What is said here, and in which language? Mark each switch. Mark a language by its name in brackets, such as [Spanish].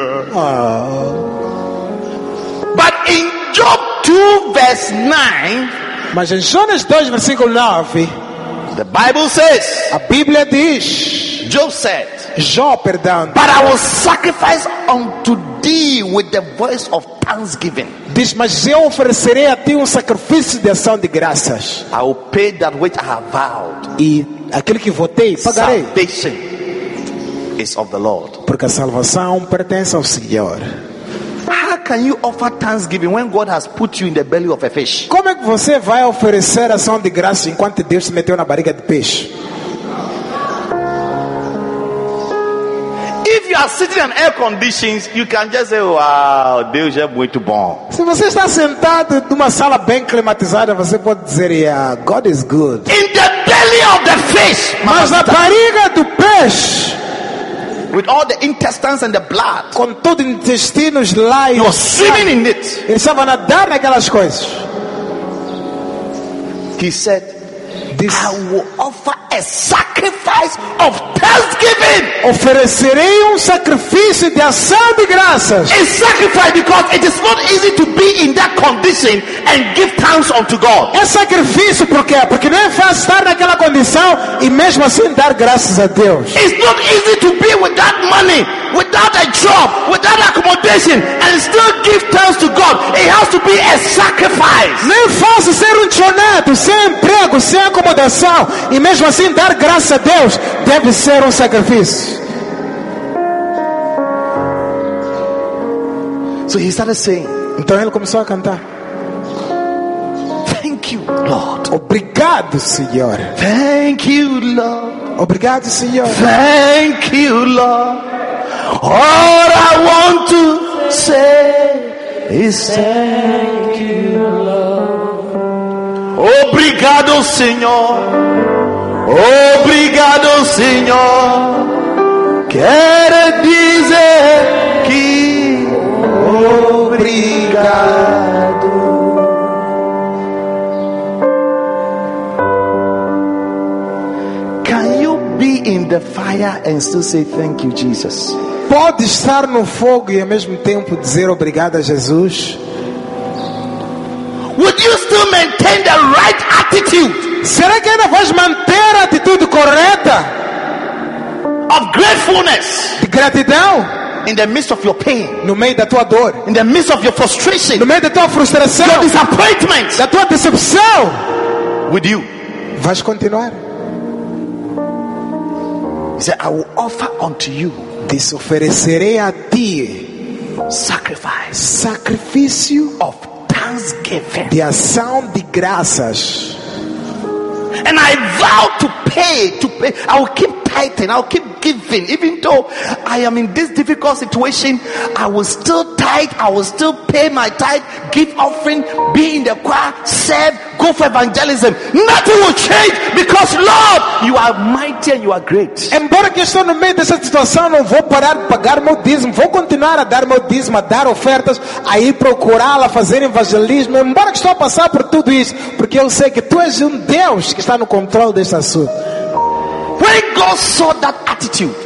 [English] But in Job 2 verse 9. [Portuguese] Mas em Jonas 2 versículo 9. [English] The Bible says. [Portuguese] A Bíblia diz. [English] Job said. [Portuguese] Jó, perdão. [English] But I will sacrifice unto thee with the voice of thanksgiving. [Portuguese] Diz, mas eu oferecerei a ti sacrifício de ação de graças. [English] I will pay that which I have vowed. [Portuguese] E aquilo que votei, pagarei. [English] Salvation is of the Lord. [Portuguese] Porque a salvação pertence ao Senhor. [English] How can you offer thanksgiving when God has put you in the belly of a fish? [Portuguese] Como é que você vai oferecer ação de graças enquanto Deus te meteu na barriga de peixe? [English] Sitting in air conditions, you can just say, wow, [Portuguese] Deus é muito bom. Se você está sentado numa sala bem climatizada, você pode dizer, yeah, [English] God is good. In the belly of the fish, [Portuguese] mas na barriga do peixe, [English] with all the intestines and the blood, [Portuguese] com todo o intestino lá, [English] you are swimming in it. [Portuguese] Ele estava nadando naquelas coisas. [English] He said, this, I will offer a sacrifice of thanksgiving. [Portuguese] Oferecerei sacrifício de ação de graças. [English] A sacrifice because it is not easy to be in that condition and give thanks unto God. [Portuguese] É sacrifício porque não é fácil estar naquela condição e mesmo assim dar graças a Deus. [English] It's not easy to be without money, without a job, without accommodation and still give thanks to God. It has to be a sacrifice. [Portuguese] Não é fácil ser chonado, sem emprego, sem acomodação e mesmo assim dar graças a Deus deve ser sacrifício. [English] So he started saying. [Portuguese] Então ele começou a cantar. [English] Thank you. Lord. [Portuguese] Obrigado, Senhor. [English] Thank you, Lord. [Portuguese] Obrigado, Senhor. [English] Thank you, Lord. All I want to say is thank you, Lord. [Portuguese] Obrigado, Senhor. Obrigado, Senhor. Quero dizer que obrigado. [English] Can you be in the fire and still say thank you, Jesus? [Portuguese] Pode estar no fogo e ao mesmo tempo dizer obrigado a Jesus? [English] Would you still maintain the right attitude? [Portuguese] Será que ainda vais manter a atitude correta? [English] Of gratefulness. [Portuguese] De gratidão. [English] In the midst of your pain. [Portuguese] No meio da tua dor. [English] In the midst of your frustration. [Portuguese] No meio da tua frustração. [English] Your disappointment. [Portuguese] Da tua decepção. [English] With you. [Portuguese] Vais continuar. [English] He said, I will offer unto you. [Portuguese] Des oferecerei a ti. [English] Sacrifice. [Portuguese] Sacrifício. [English] Of thanksgiving. [Portuguese] De ação de graças. [English] And I vow to pay. I will keep tithing. I will keep giving. Even though I am in this difficult situation, I will still tithe. I will still pay my tithe. Give offering. Be in the choir. Serve. Go for evangelism. Nothing will change because, Lord, you are mighty and you are great. [Portuguese] Embora que estou no meio dessa situação, não vou parar de pagar meu dízimo. Vou continuar a dar meu dízimo, a dar ofertas, a ir procurá-la, fazer evangelismo. Embora que estou a passar por tudo isso, porque eu sei que tu és um Deus que está no controle desse assunto. [English] When God saw that attitude,